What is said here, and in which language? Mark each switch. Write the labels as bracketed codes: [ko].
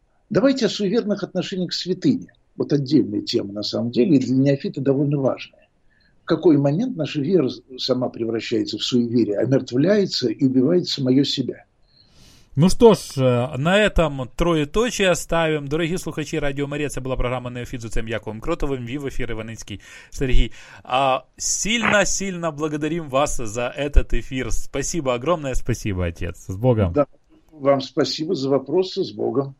[ru] Давайте о суеверных отношениях к святыне. Вот отдельная тема, на самом деле, и для неофита довольно важная. В какой момент наша вера сама превращается в суеверие, омертвляется и убивает самое себя? Ну что ж, на этом троєточі оставим. [uk] Дорогі слухачі Радіо Марія, це була програма «Неофіт» з отцем Яковом Кротовим, вів ефір Іваницький Сергій. [ru] Сильно-сильно благодарим вас за этот ефір. Спасибо, огромное спасибо, отец. С Богом. Да, вам спасибо за вопросы, с Богом.